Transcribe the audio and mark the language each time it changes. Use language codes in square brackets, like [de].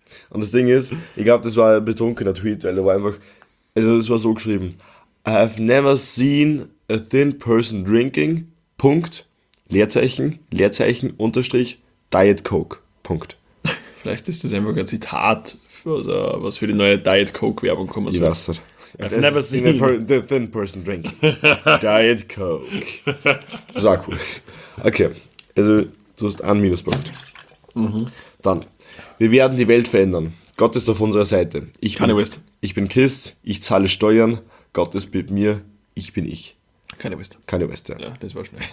[de] Und das Ding ist, ich glaube, das war ein betrunkener Tweet, weil er war einfach, also es war so geschrieben, [en] I have never seen a thin person drinking, [de] Punkt, Leerzeichen, Leerzeichen, Unterstrich, Diet Coke, Punkt. Vielleicht ist das einfach ein Zitat, für, also, was für die neue Diet Coke Werbung kommen soll. Ich weiß nicht. [en] I've never seen a thin person drink Diet Coke. [de] Das ist auch cool. Okay, also du hast einen Minuspunkt. Mhm. Dann, wir werden die Welt verändern. Gott ist auf unserer Seite. Ich bin Christ, ich zahle Steuern. Gott ist mit mir, ich bin ich. Kanye West, ja. Ja, das war schnell.